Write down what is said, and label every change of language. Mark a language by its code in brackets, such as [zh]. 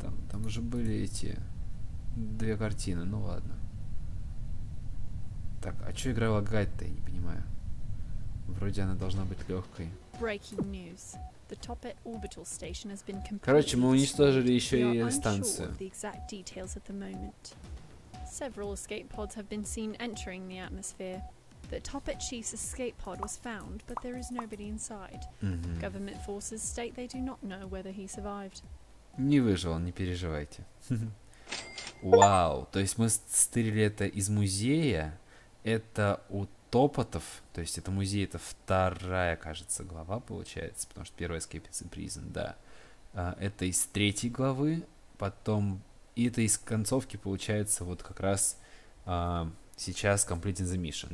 [ru] Там уже были эти две картины, ну ладно. Так, а чё игра лагает-то, я не понимаю. Вроде она должна быть лёгкой. [en] Breaking news. The Toppet orbital station has been completed. [ru] Короче, мы уничтожили ещё и станцию. [en] The exact details at the moment. Several escape pods have been seen entering the atmosphere. The Toppet chief's escape pod was found, but there is nobody inside. Mm-hmm. Government forces state they do not know whether he survived. [ru] Не выжил, не переживайте. Вау, то есть мы стырили это из музея. Это у Топотов, то есть это музей, это вторая, кажется, глава получается, потому что первая Escape is a Prison, да. Это из третьей главы, потом... И это из концовки получается вот как раз сейчас Completing the Mission.